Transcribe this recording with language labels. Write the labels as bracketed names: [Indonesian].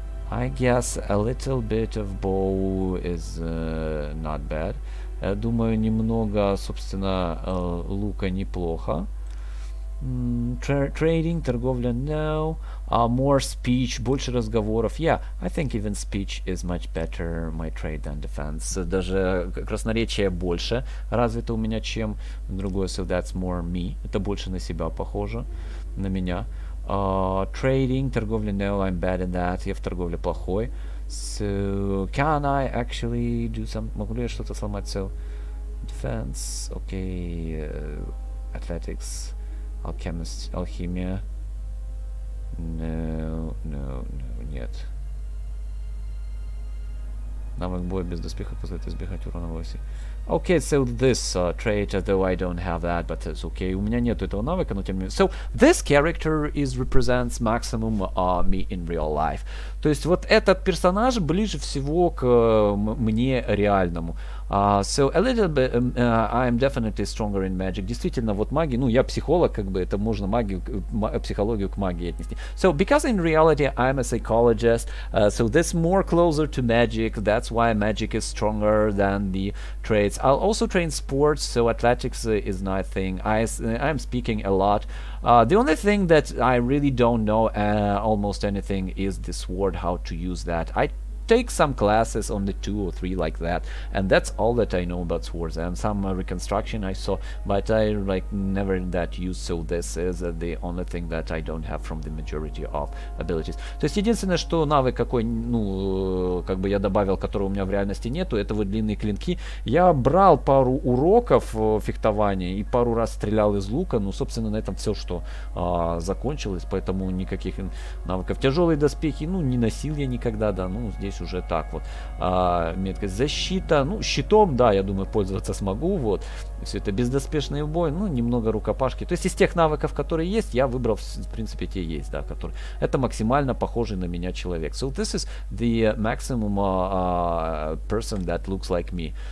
[English] I guess a little bit of bow is not bad. [Russian] Думаю, немного, собственно, лука неплохо. [English] Trading, торговля, no. More speech, [Russian] больше разговоров. [English] Yeah, I think even speech is much better my trade than defense. [Russian] Даже красноречие больше развито у меня, чем другое. [English] So that's more me. [Russian] Это больше на себя похоже, на меня. [English] Trading, торговля, no, I'm bad at that. [Russian] Я в торговле плохой. [English] So, can I actually do some... [Russian] Могу ли я что-то сломать? [English] So, defense, okay. Athletics, alchemist, алхимия. No, no, no, нет. [Russian] Навык боя без доспеха позволяет избегать урона в оси. [English] Okay, so this trait, though I don't have that, but it's okay. [Russian] У меня нету этого навыка, но тем не менее. [English] So, this character is represents maximum me in real life. [Russian] То есть вот этот персонаж ближе всего к мне реальному. [English] So, a little bit, I am definitely stronger in magic. [Russian] Действительно, вот магия, ну, я психолог, как бы, это можно магию, психологию к магии отнести. [English] So, because in reality I am a psychologist, so this more closer to magic, that's why magic is stronger than the traits. I'll also train sports, so athletics is my thing. I'm speaking a lot. The only thing that I really don't know almost anything is the sword, how to use that. I take some classes on the 2 or 3 like that, and that's all that I know about swords, and some reconstruction I saw, but I like never that used, so this is the only thing that I don't have from the majority of abilities. [Russian] То есть единственное, что навык какой, ну, как бы я добавил, которого у меня в реальности нету, это вот длинные клинки. Я брал пару уроков фехтования и пару раз стрелял из лука, ну, собственно, на этом все, что закончилось, поэтому никаких навыков. Тяжелые доспехи, ну, не носил я никогда, да, ну, здесь уже так вот. Меткость, защита, ну, щитом, да, я думаю, пользоваться смогу, вот. Все это бездоспешный бой, ну, немного рукопашки. То есть из тех навыков, которые есть, я выбрал, в принципе, те есть, да, которые. Это максимально похожий на меня человек. [English] So this is the maximum person that looks like me.